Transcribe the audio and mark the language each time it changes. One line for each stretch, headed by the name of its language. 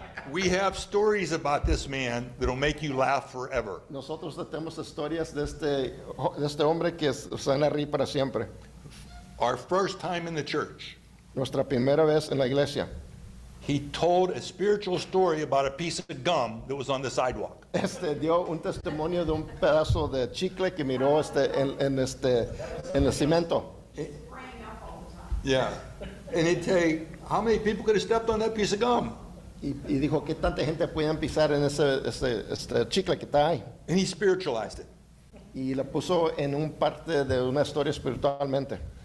English: We have stories about this man that'll make you laugh forever.
Spanish: Nosotros tenemos historias de este hombre que van a reír para siempre.
English: Our first time in the church.
Spanish: Nuestra primera vez en la iglesia.
English: He told a spiritual story about a piece of gum that was on the sidewalk.
Spanish: Dio un testimonio de un pedazo de chicle que miró en el cemento.
English: Yeah. And he'd say, how many people could have stepped on that piece of gum?
Spanish: Y dijo, ¿qué tanta gente podían pisar en ese chicle que está ahí?
English: And he spiritualized it.
Spanish: Y lo puso en un parte de una historia espiritualmente.